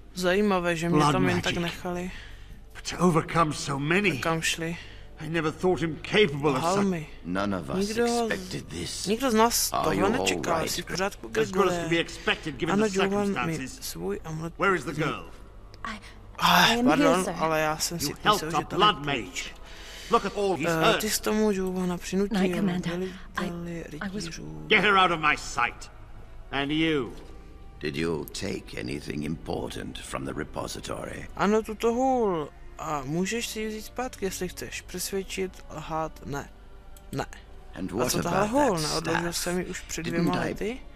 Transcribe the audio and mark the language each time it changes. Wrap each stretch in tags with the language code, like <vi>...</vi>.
<cs>Zajímavé, že mě tam jen tak nechali.</cs> <en>But to overcome so many.</en> <cs>A kam šli?</cs> <en>I never thought him capable of such. None of us expected this.</en> <cs>Nikdo z nás tohle nečekal. Jsi v pořádku,</cs> <en>Gregor? To be expected given the circumstances. Where is the girl?</en> <cs>Pardon, ale já jsem si myslel, že to je ten.</cs> <en>Look at all these hurt.</en> <cs>Ty jsi tomu Jovana přinutil.</cs> <en>I was. Get her out of my sight. And you? Did you take anything important from the repository?</en> <cs>Ano, tuto hůl. A můžeš si vzít zpátky, jestli chceš. Přesvědčit, lhát, ne. Ne.</cs> <en>And what</en> <cs>a co tahle hůl? Neodložil jsem ji už před dvěma lety?</cs>